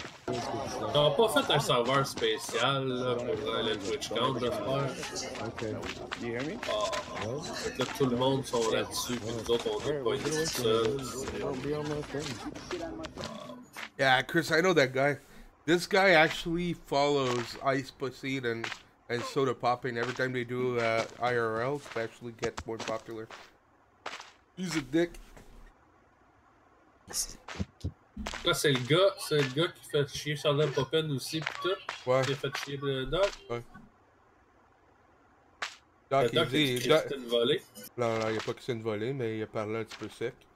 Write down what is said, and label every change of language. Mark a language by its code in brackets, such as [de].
[fr] On n'a pas fait un serveur spécial là, pour le TwitchCon, j'espère. Ok. Là, tout le monde sont là-dessus, puis nous autres, on n'est pas ici seuls. [en] Yeah, Chris, I know that guy. This guy actually follows Ice Pussy and Soda Popping. Every time they do IRL, they actually get more popular. He's a dick. [fr] Là, c'est le gars qui fait chier Soda Popping aussi, pis tout. Ouais. Qui fait chier le Doc. Ouais. Doc, il dit... Non, non, il n'y a pas que c'est une volée, mais il a parlé un petit peu sec.